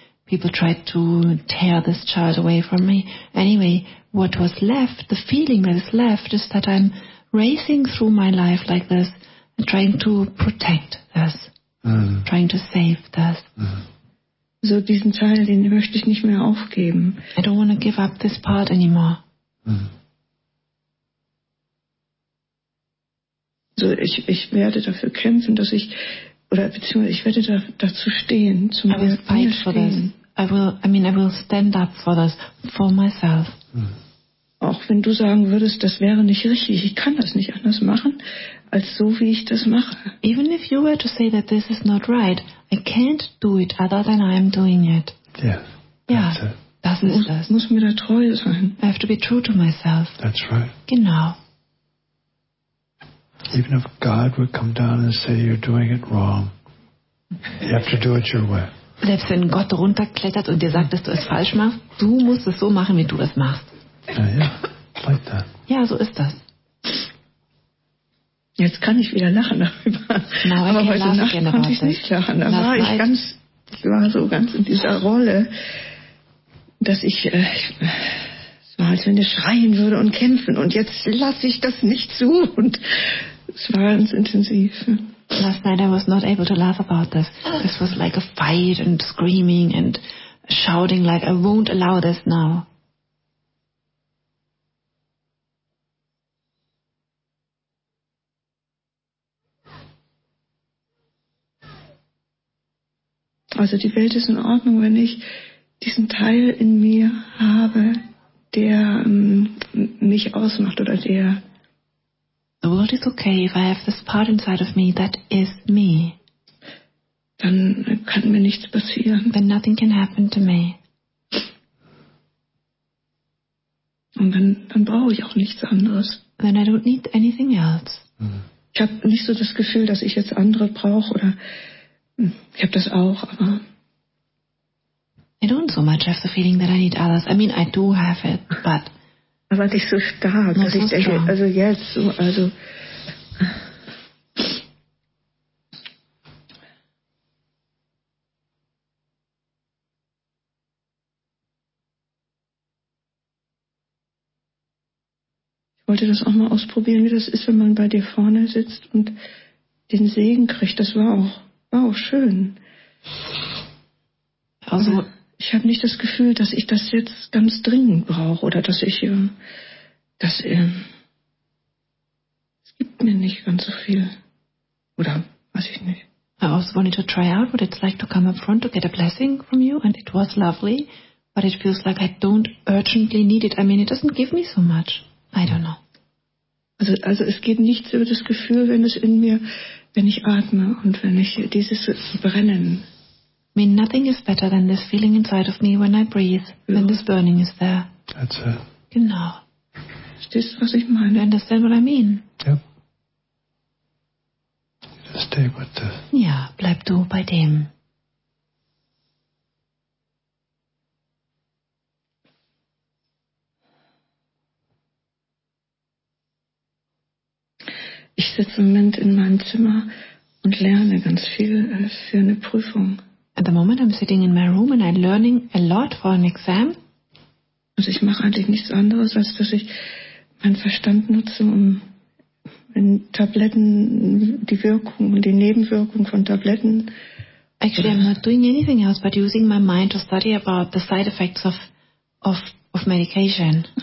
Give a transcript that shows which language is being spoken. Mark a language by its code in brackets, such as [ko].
[en] People tried to tear this child away from me. Anyway, what was left, the feeling that is left, is that I'm racing through my life like this, and trying to protect this, trying to save this. Mm. [de] So diesen Teil, den möchte ich nicht mehr aufgeben. [en] I don't want to give up this part anymore. Mm. [de] So ich werde dafür kämpfen, dass ich, oder beziehungsweise ich werde dazu stehen, zu mir stehen. [en] I will stand up for this, for myself. [de] Auch wenn du sagen würdest, das wäre nicht richtig, ich kann das nicht anders machen, als so wie ich das mache. [en] Even if you were to say that this is not right, I can't do it other than I am doing it. Yeah, [de] ja, das ist das. Muss mir da treu sein. [en] I have to be true to myself. That's right. [de] Genau. [en] Even if God would come down and say you're doing it wrong, you have to do it your way. [de] Selbst wenn Gott runterklettert und dir sagt, dass du es falsch machst, du musst es so machen, wie du es machst. [en] Ja, like that. [de] Ja, so ist das. Jetzt kann ich wieder lachen darüber. Aber heute Nacht konnte ich nicht lachen. Da war ich ganz, ich war so ganz in dieser Rolle, dass ich, es war, als wenn ich schreien würde und kämpfen. Und jetzt lasse ich das nicht zu. Und es war ganz intensiv. [en] Last night I was not able to laugh about this. This was like a fight and screaming and shouting, like, I won't allow this now. [de] Also die Welt ist in Ordnung, wenn ich diesen Teil in mir habe, der mich ausmacht oder der... [en] The world is okay if I have this part inside of me that is me. [de] Dann kann mir nichts passieren. [en] Then nothing can happen to me. [de] Und dann brauche ich auch nichts anderes. [en] Then I don't need anything else. [de] Ich habe nicht so das Gefühl, dass ich jetzt andere brauche oder... Ich habe das auch, aber... [en] I don't so much have the feeling that I need others. I mean, I do have it, but... [de] Aber nicht so stark. Also, ich denke, also jetzt, so, also... Ich wollte das auch mal ausprobieren, wie das ist, wenn man bei dir vorne sitzt und den Segen kriegt. Das war auch... Wow, schön. Also, ich habe nicht das Gefühl, dass ich das jetzt ganz dringend brauche oder dass ich das es gibt mir nicht ganz so viel. Oder weiß ich nicht. [en] I also wanted to try out what it's like to come up front to get a blessing from you and it was lovely, but it feels like I don't urgently need it. I mean, it doesn't give me so much. I don't know. [de] Also es geht nichts über das Gefühl, wenn es in mir, wenn ich atme und wenn ich dieses Brennen. [en] I mean, nothing is better than this feeling inside of me when I breathe, when this burning is there. That's it. [de] Genau. Verstehst du, was ich meine? [en] You understand what I mean? Yep. Just stay with the... [de] Ja, bleib du bei dem. Ich sitze im Moment in meinem Zimmer und lerne ganz viel für eine Prüfung. [en] At the moment I'm sitting in my room and I'm learning a lot for an exam. [de] Also ich mache eigentlich nichts anderes, als dass ich meinen Verstand nutze, um in Tabletten die Wirkung und die Nebenwirkung von Tabletten. [en] Actually I'm not doing anything else but using my mind to study about the side effects of medication.